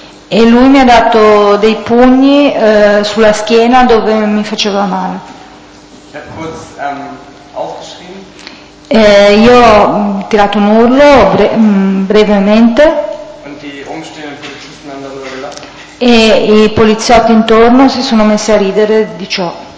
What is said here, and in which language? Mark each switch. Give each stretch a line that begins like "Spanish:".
Italian: E lui mi ha dato dei pugni sulla schiena dove mi faceva male.
German: Ich habe kurz aufgeschrien.
Italian: Io ho tirato un urlo brevemente.
German: Und die umstehenden Polizisten haben darüber gelacht.
Italian: E i poliziotti intorno si sono messi a ridere di ciò.